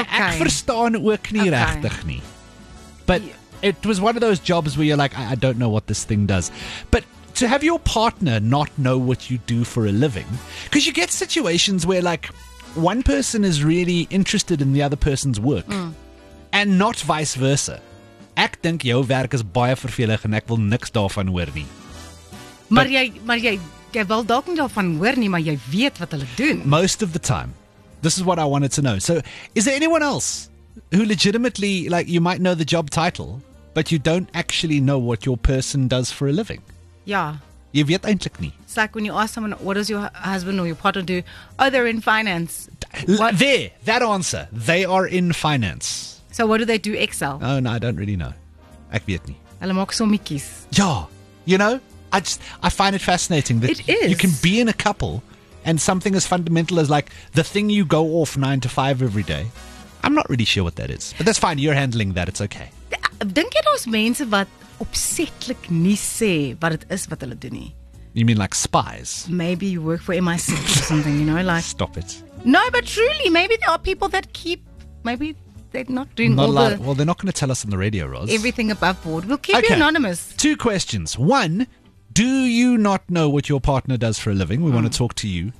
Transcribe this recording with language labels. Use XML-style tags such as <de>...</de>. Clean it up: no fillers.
<af>Ek verstaan ook nie regtig nie.</af> <en>But it was one of those jobs where you're like, I don't know what this thing does. But to have your partner not know what you do for a living. Because you get situations where like, one person is really interested in the other person's work. Mm. And not vice versa.</en> <af>Ek dink jou werk is baie vervelig en ek wil niks daarvan hoor nie. Maar jy wil dalk nie daarvan hoor nie, maar jy weet wat hulle doen.</af> <en>Most of the time. This is what I wanted to know. So, is there anyone else who legitimately, like, you might know the job title, but you don't actually know what your person does for a living?</en> <af>Ja. Jy weet eintlik nie.</af> <en>It's like when you ask someone, what does your husband or your partner do? Oh, they're in finance. That answer. They are in finance. So what do they do, Excel? Oh, no, I don't really know.</en> <af>Ek weet nie. Hulle maak sommetjies. Ja.</af> <en>You know, I find it fascinating that you can be in a couple and something as fundamental as like the thing you go off 9 to 5 every day. I'm not really sure what that is. But that's fine. You're handling that. It's okay.</en> <af>Dink jy daar's mense wat opsetlik nie sê wat dit is wat hulle doen nie?</af> <en>You mean like spies? Maybe you work for MI6 or something, you know? Like, stop it. No, but truly, maybe there are people that keep... Maybe they're not doing not all the... Well, they're not going to tell us on the radio, Roz. Everything above board. We'll keep you anonymous. Two questions. One, do you not know what your partner does for a living? We want to talk to you.</en>